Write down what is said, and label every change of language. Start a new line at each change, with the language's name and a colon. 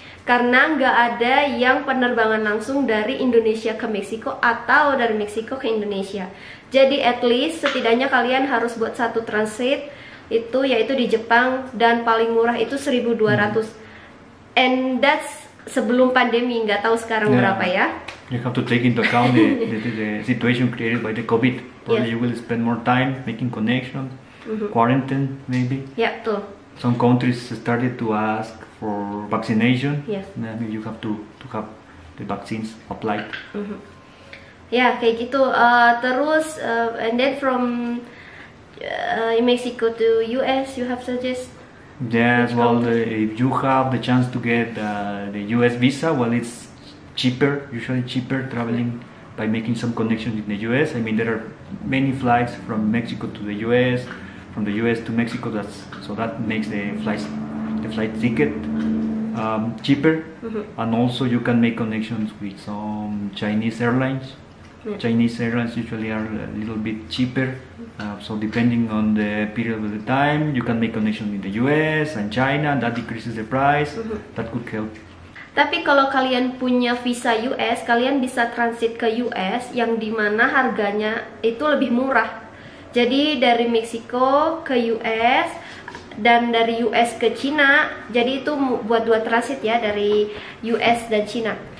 Indonesian: Karena nggak ada yang penerbangan langsung dari Indonesia ke Meksiko atau dari Meksiko ke Indonesia. Jadi
English: at least
Indonesian: setidaknya kalian harus buat satu transit itu yaitu di Jepang dan paling murah itu $1,200. Mm-hmm.
English: And that's
Indonesian: sebelum pandemi, nggak tahu sekarang berapa ya.
English: You have to take into account the situation created by the COVID. Probably you will spend more time making connections, mm-hmm. quarantine maybe.
Indonesian: Yeah, betul.
English: Some countries started to ask for vaccination. Yeah. Maybe you have to have the vaccines applied. Mm-hmm.
Indonesian: Yeah, kayak gitu.
English: And then from Mexico to US, you have suggest. Yes, well, if you have the chance to get the U.S. visa, well, it's cheaper, usually cheaper traveling by making some connections in the U.S. I mean, there are many flights from Mexico to the U.S., from the U.S. to Mexico, so that makes the flight ticket cheaper. Mm-hmm. And also, you can make connections with some Chinese airlines. Mm-hmm. Chinese airlines usually are a little bit cheaper. So depending on the period of the time, you can make connection in the US and China, and that decreases the price. Mm-hmm. That could help.
Indonesian: Tapi kalau kalian punya visa US, kalian bisa transit ke US yang di mana harganya itu lebih murah. Jadi dari Meksiko ke US dan dari US ke China, jadi itu buat dua transit ya dari US dan China.